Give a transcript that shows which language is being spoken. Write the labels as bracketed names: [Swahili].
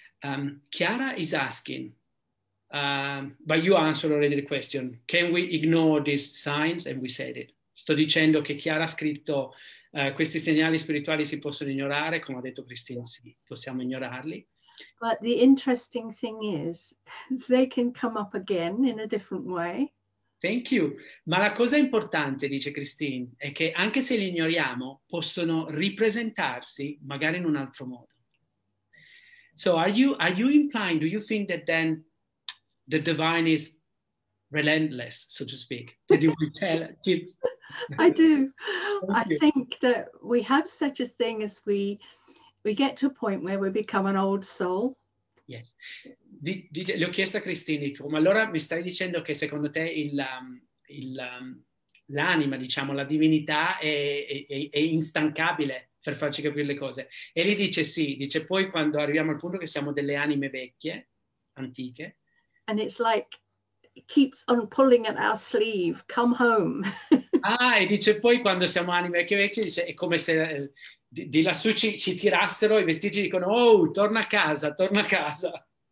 [English] Chiara is asking, but you answered already the question, can we ignore these signs? And we said it. [Italian] Sto dicendo che Chiara ha scritto, questi segnali spirituali si possono ignorare, come ha detto Cristina, sì, possiamo ignorarli. [English] But the interesting thing is they can come up again in a different way. Thank you. [Italian] Ma la cosa importante, dice Christine, è che anche se li ignoriamo, possono ripresentarsi magari in un altro modo. [English] So are you implying, do you think that then the divine is relentless, so to speak? Did you tell it? I do. I think that we have such a thing as we get to a point where we become an old soul. Yes. [Italian] Le ho chiesto a Cristina, ma allora mi stai dicendo che secondo te l'anima, diciamo, la divinità è instancabile per farci capire le cose? E lei dice sì. Dice poi quando arriviamo al punto che siamo delle anime vecchie, antiche. [English] And it's like, it keeps on pulling at our sleeve, come home. [Italian] Ah, e dice poi quando siamo anime vecchie, dice, è come se di lassù ci tirassero i vestiti e dicono, oh, torna a casa, torna a casa.